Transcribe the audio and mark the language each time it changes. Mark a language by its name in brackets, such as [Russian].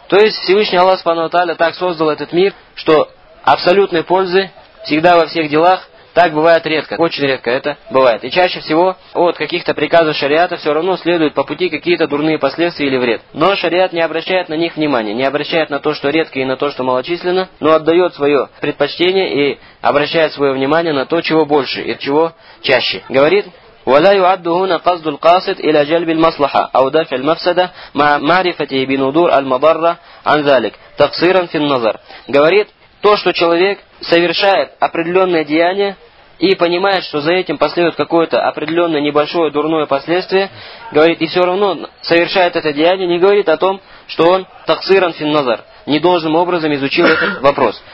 [Russian] То есть, Всевышний Аллах Субхану ва Тааля так создал этот мир, что абсолютной пользы всегда во всех делах так бывает редко, очень редко это бывает. И чаще всего от каких-то приказов шариата все равно следуют по пути какие-то дурные последствия или вред. Но шариат не обращает на них внимания, не обращает на то, что редко и на то, что малочисленно, но отдает свое предпочтение и обращает свое внимание на то, чего больше и чего чаще. Говорит... [Arabic] ولا يعد هنا قصد القاصد إلى جلب المصلحة أو دفع المفسدة مع معرفته بندور المضرة عن ذلك تقصيرا في النظر. [Russian] Говорит, то, что человек совершает определенное деяние и понимает, что за этим последует какое-то определенное небольшое дурное последствие, говорит, и все равно совершает это деяние, не говорит о том, что он таксиран финназар, недолжным образом изучил этот вопрос.